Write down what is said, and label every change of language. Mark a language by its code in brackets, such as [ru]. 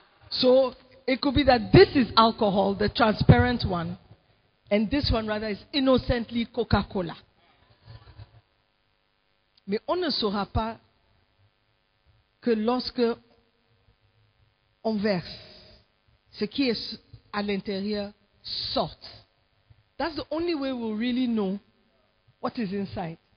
[en] So, it could be that this is alcohol, the transparent one, and this one rather is innocently Coca-Cola. [fr] Mais on ne saura pas que lorsque on verse, ce qui est à l'intérieur sort. [en] That's the only way we'll really know what is inside.